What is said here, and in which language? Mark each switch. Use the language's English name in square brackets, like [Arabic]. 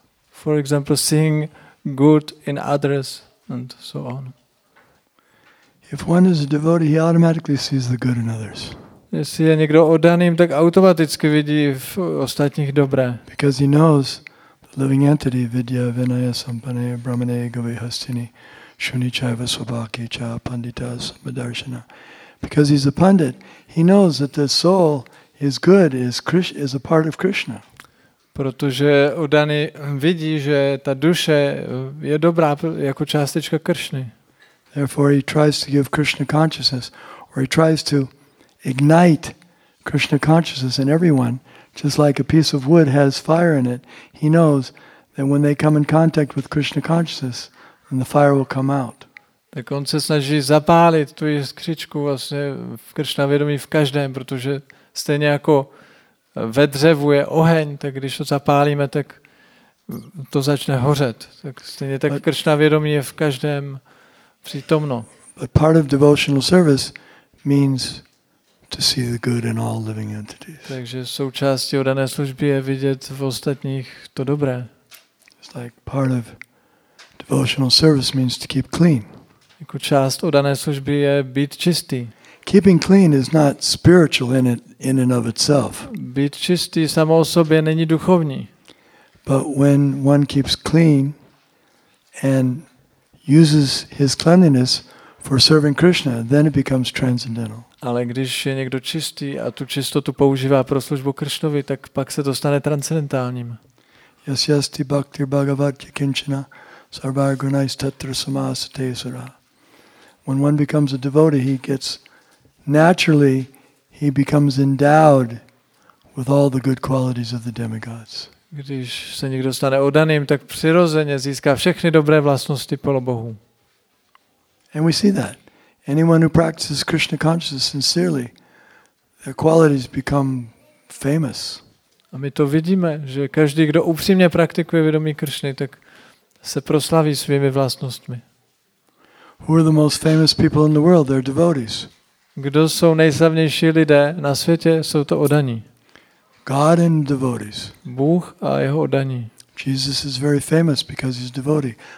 [English] For example, seeing good in others and so on. If one is a devotee, he automatically sees the good in others. [Czech] Jestli je někdo oddaným, tak automaticky vidí v ostatních dobré. [English] Because he knows the living entity, [Sanskrit] vidya, vinaya, sampane, brahmane, gavi, hastini, shuni, chaiva, svabhaki, cha, pandita, samadarshana. [English] Because he's a pundit, he knows that the soul is good, is a part of Krishna. [Czech] Protože oddaný vidí, že ta duše je dobrá jako částečka Kršny. [English] Therefore, he tries to give Krishna consciousness, or he tries to ignite Krishna consciousness in everyone, just like a piece of wood has fire in it. He knows that when they come in contact with Krishna consciousness, then the fire will come out. [Czech] Tak on se snaží zapálit tu jiskřičku vlastně v Krishna vědomí v každém, protože stejně jako ve dřevu je oheň, tak když to zapálíme, tak to začne hořet. Tak stejně tak Krishna vědomí je v každém. Přítomno. [English] But part of devotional service means to see the good in all living entities. [Czech] Takže součástí oddané služby je vidět v ostatních to dobré. [English] It's like part of devotional service means to keep clean. [Czech] Jako část oddané služby je být čistý. [English] Keeping clean is not spiritual in and of itself. [Czech] Být čistý samo o sobě není duchovní. [English] But when one keeps clean and uses his cleanliness for serving Krishna, then it becomes transcendental. [Czech] Ale když je někdo čistý a tu čistotu používá pro službu Kršnovi, tak pak se to stane transcendentálním. [Sanskrit] Yasyasti bhaktir bhagavatya kinchana sarvargunais tatra samasate sura. [English] When one becomes a devotee, he becomes endowed with all the good qualities of the demigods. [Czech] Když se někdo stane oddaným, tak přirozeně získá všechny dobré vlastnosti polobohů. [English] And we see that anyone who practices Krishna consciousness sincerely, their qualities become famous. [Czech] A my to vidíme, že každý, kdo upřímně praktikuje vědomí Kršny, tak se proslaví svými vlastnostmi. [English] Who are the most famous people in the world? They're devotees. [Czech] Kdo jsou nejslavnější lidé na světě? Jsou to oddaní. [English] God and devotees. [Czech] Bůh a jeho oddaní. [English] Jesus is very famous because he's a devotee.